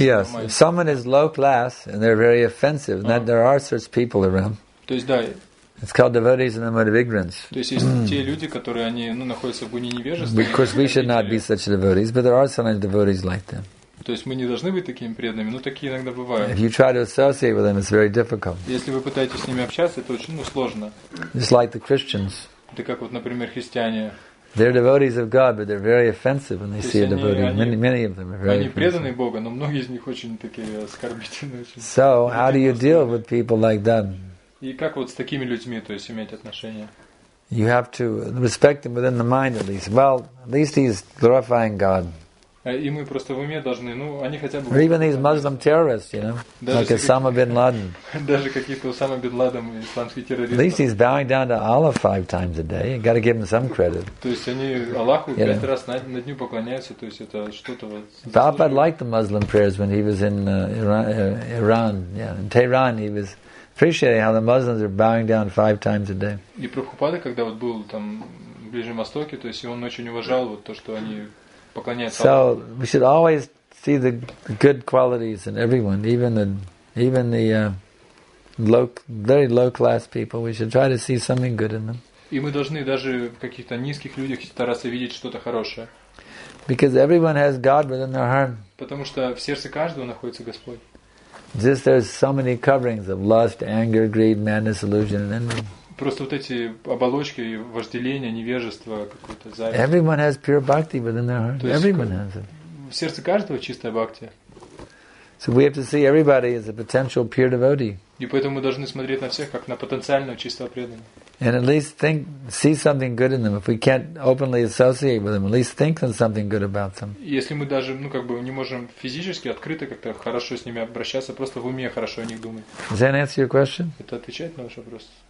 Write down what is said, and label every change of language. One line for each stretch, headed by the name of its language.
English: Yes, if someone is low class and they're very offensive, and that there are such people around.
Russian: То есть да.
English: It's called devotees in the mode of ignorance.
Russian: То есть есть те люди, которые они, ну, находятся в гуне невежества.
English: Because we should not be such devotees, but there are sometimes devotees like them.
Russian: То есть мы не должны быть такими преданными, но такие иногда бывают.
English: If you try to associate with them, it's very difficult.
Russian: Если вы пытаетесь с ними общаться, это очень, ну, сложно.
English: Just like the Christians.
Russian: Это как вот, например, христиане.
English: They're devotees of God, but they're very offensive when they see a devotee. Many of them are very.
Russian: Они преданы Богу, но многие из них очень такие оскорбительные.
English: So how do you deal with people like that?
Russian: И как вот с такими людьми, то есть иметь отношения?
English: You have to respect him within the mind at least. Well, at least he's glorifying God.
Russian: И мы просто в уме должны, ну, они хотя бы.
English: Or even these Muslim terrorists, you know,
Russian: даже
English: like Osama bin Laden.
Russian: Даже какие-то Osama bin Laden и исламские террористы.
English: At least he's bowing down to Allah 5 times a day. You got to give him some credit.
Russian: То есть они Аллаху 5 раз на дню поклоняются, то есть это что-то вот.
English: Prabhupada liked the Muslim prayers when he was in Iran, yeah, in Tehran he was. appreciating how the Muslims are bowing down five times a day.
Russian: И Прабхупада, когда вот был там в Ближнем Востоке, то есть он очень уважал вот то, что они поклоняются.
English: So we should always see the good qualities in everyone, even the very low class people. We should try to see something good in them.
Russian: И мы должны даже в каких-то низких людях стараться видеть что-то хорошее.
English: Because everyone has God within their heart.
Russian: Потому что в сердце каждого находится Господь.
English: Just there's so many coverings of lust, anger, greed, madness, illusion, and envy.
Russian: Просто вот эти оболочки, вожделение, невежество, какое-то зависть.
English: Everyone has pure bhakti within their heart. Everyone has it.
Russian: В сердце каждого чистая бхакти.
English: So we have to see everybody as a potential pure devotee.
Russian: И поэтому мы должны смотреть на всех как на потенциального чистого преданного.
English: And at least think, see something good in them. If we can't openly associate with them, at least think of something good about them.
Russian: Если мы даже, ну как бы, не можем физически открыто как-то хорошо с ними обращаться, просто в уме хорошо о них думать.
English: Does that answer your question?
Russian: Это отвечает на ваш вопрос?